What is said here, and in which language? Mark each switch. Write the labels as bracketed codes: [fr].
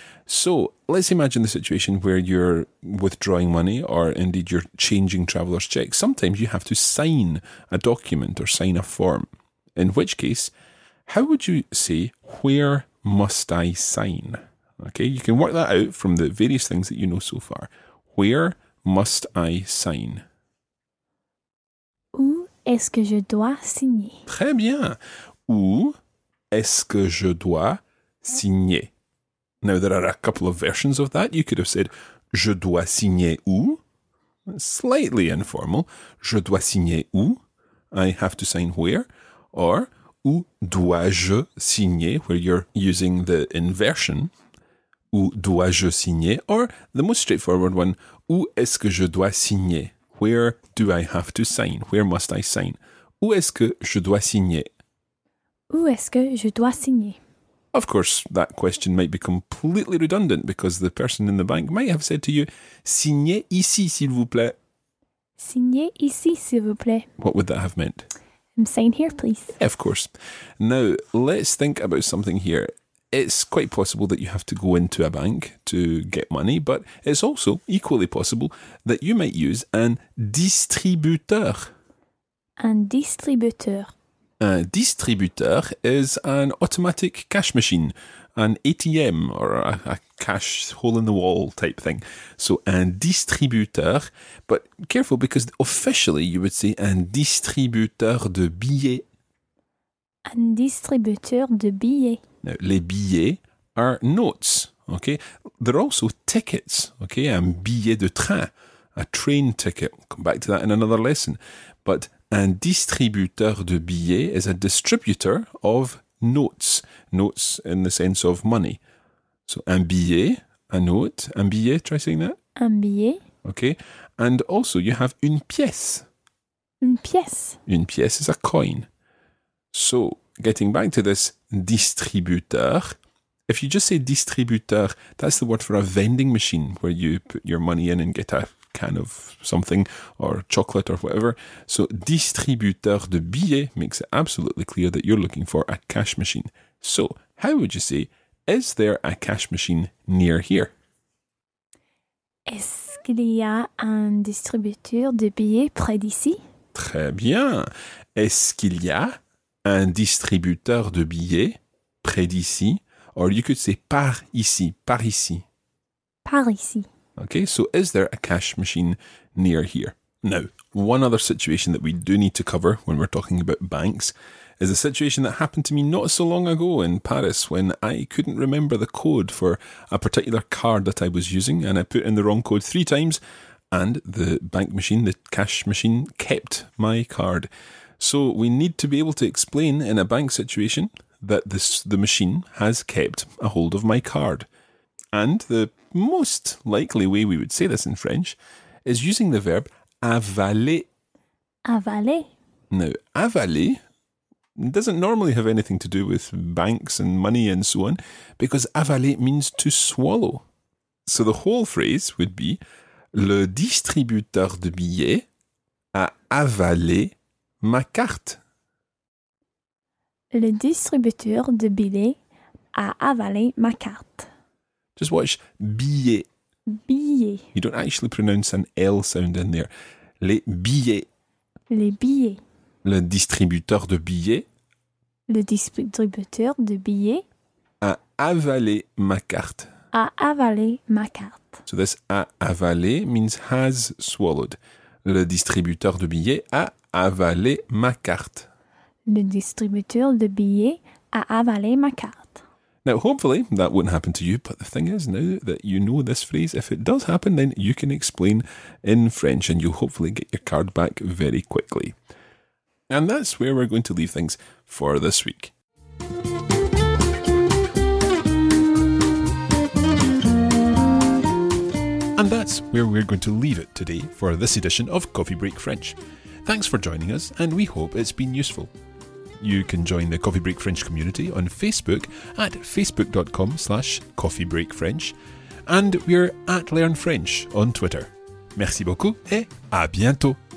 [en] So, let's imagine the situation where you're withdrawing money or indeed you're changing traveler's checks. Sometimes you have to sign a document or sign a form. In which case, how would you say, where must I sign? Okay, you can work that out from the various things that you know so far. Where must I sign? [fr] Où est-ce que je dois signer? Très bien. Où est-ce que je dois signer? [en] Now, there are a couple of versions of that. You could have said, [fr] je dois signer où? [en] Slightly informal. [fr] Je dois signer où? [en] I have to sign where? [fr] Or, où dois-je signer? [en] Where you're using the inversion. [fr] Où dois-je signer? [en] Or, the most straightforward one, [fr] où est-ce que je dois signer? [en] Where do I have to sign? Where must I sign? [fr] Où est-ce que je dois signer? Où est-ce que je dois signer? [en] Of course, that question might be completely redundant because the person in the bank might have said to you, [fr] signez ici, s'il vous plaît. Signez ici, s'il vous plaît. [en] What would that have meant? Sign here, please. Yeah, of course. Now, let's think about something here. It's quite possible that you have to go into a bank to get money, but it's also equally possible that you might use an distributeur. [fr] Un distributeur. [en] A distributeur is an automatic cash machine, an ATM or a cash hole-in-the-wall type thing. So, un distributeur, but careful because officially you would say [fr] un distributeur de billets. Un distributeur de billets. [en] Now, les billets are notes, okay? They're also tickets, okay? [fr] Un billet de train, [en] a train ticket. We'll come back to that in another lesson. But un distributeur de billets is a distributor of notes. Notes in the sense of money. So, un billet, a note. Un billet, try saying that. [fr] Un billet. [en] Okay? And also you have une pièce. [fr] Une pièce. [en] Une pièce is a coin. So, getting back to this distributeur, if you just say distributeur, that's the word for a vending machine where you put your money in and get a can of something or chocolate or whatever. So, distributeur de billets makes it absolutely clear that you're looking for a cash machine. So, how would you say, is there a cash machine near here? [fr] Est-ce qu'il y a un distributeur de billets près d'ici? Très bien. Est-ce qu'il y a un distributeur de billets près d'ici? [en] Or you could say [fr] par ici, par ici. Par ici. [en] Okay, so is there a cash machine near here? Now, one other situation that we do need to cover when we're talking about banks is a situation that happened to me not so long ago in Paris when I couldn't remember the code for a particular card that I was using and I put in the wrong code three times and the bank machine, the cash machine, kept my card. So we need to be able to explain in a bank situation that the machine has kept a hold of my card. And the most likely way we would say this in French is using the verb avaler. [fr] Avaler. [en] Now, avaler doesn't normally have anything to do with banks and money and so on, because avaler means to swallow. So the whole phrase would be, [fr] le distributeur de billets a avalé ma carte. Le distributeur de billets a avalé ma carte. [en] Just watch billet. [fr] Billet. [en] You don't actually pronounce an L sound in there. [fr] Les billets. Les billets. Le distributeur de billets. Le distributeur de billets a avalé ma carte. A avalé ma carte. [en] So this a avalé means has swallowed. [fr] Le distributeur de billets a avalé ma carte. Le distributeur de billets a avalé ma carte. [en] Now, hopefully, that won't happen to you, but the thing is, now that you know this phrase, if it does happen, then you can explain in French and you'll hopefully get your card back very quickly. And that's where we're going to leave things for this week. And that's where we're going to leave it today for this edition of Coffee Break French. Thanks for joining us, and we hope it's been useful. You can join the Coffee Break French community on Facebook at facebook.com/coffeebreakfrench, and we're at Learn French on Twitter. [fr] Merci beaucoup et à bientôt!